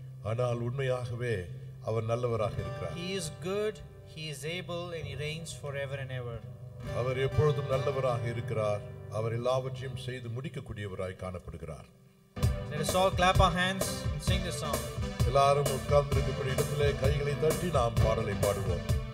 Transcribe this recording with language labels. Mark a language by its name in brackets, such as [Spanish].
[Tamil] ஆனால் உண்மையாகவே அவர் நல்லவராக இருக்கிறார். [English] He is good, He is able, and He reigns forever and ever. [Tamil] அவர் எப்பொழுதும் நல்லவராக இருக்கிறார். அவர் எல்லாவற்றையும் செய்து முடிக்கக்கூடியவராய் காணப்படுகிறார். [English] Let us all clap our hands and sing this song. [Tamil] எல்லாரும் உட்கார்ந்திருக்கிற இடத்திலே கைகளை தட்டி நாம் பாடலை பாடுவோம்.